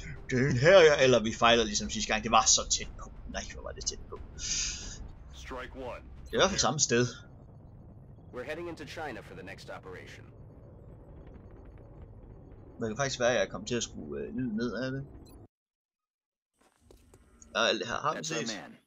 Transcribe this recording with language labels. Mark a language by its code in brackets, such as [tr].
[da] Den her, eller vi fejler ligesom sidste gang. Det var så tæt på. Nej, hvor var det tæt på. Strike 1. Det er i hvert fald samme sted. [en] We're heading into China for the next operation. [da] Det kan faktisk være, at jeg kom til at skrue lyd ned af det. Og alt det her har vi set.